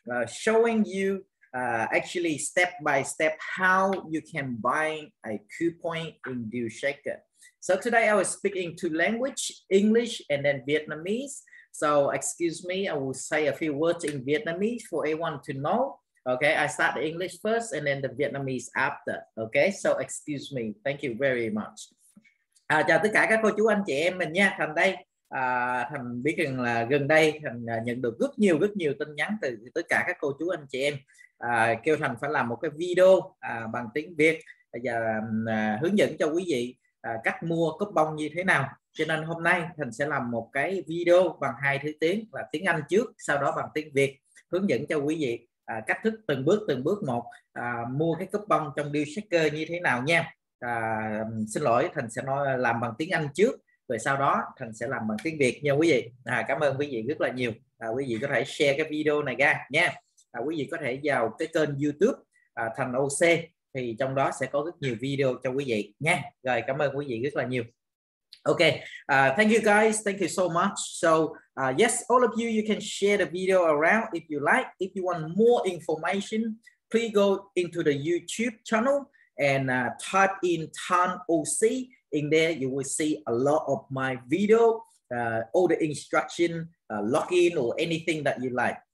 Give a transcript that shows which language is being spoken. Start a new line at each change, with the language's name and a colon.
English: Showing you actually step by step how you can buy a coupon in DealShaker. So today I was speaking two language, English and then Vietnamese. So excuse me, I will say a few words in Vietnamese for everyone to know. Okay, I start the English first and then the Vietnamese after. Okay, so excuse me. Thank you very much.
Vietnamese: Chào tất cả các cô chú anh chị em mình nha, thành đây. Thành biết rằng là gần đây Thành nhận được rất nhiều tin nhắn từ tất cả các cô chú anh chị em kêu Thành phải làm một cái video bằng tiếng Việt và hướng dẫn cho quý vị cách mua coupon như thế nào. Cho nên hôm nay Thành sẽ làm một cái video bằng hai thứ tiếng là tiếng Anh trước, sau đó bằng tiếng Việt, hướng dẫn cho quý vị cách thức từng bước một mua cái coupon trong DealShaker như thế nào nha. Xin lỗi, Thành sẽ nói làm bằng tiếng Anh trước, rồi sau đó Thành sẽ làm bằng tiếng Việt nha quý vị. Cảm ơn quý vị rất là nhiều. Quý vị có thể share cái video này ra nha. Quý vị có thể vào cái kênh YouTube Thành OC thì trong đó sẽ có rất nhiều video cho quý vị nha. Rồi cảm ơn quý vị rất là nhiều.
English: Ok, thank you guys, thank you so much. So yes, all of you, you can share the video around if you like. If you want more information, please go into the YouTube channel and type in Tan OC. In there, you will see a lot of my video, all the instruction, login or anything that you like.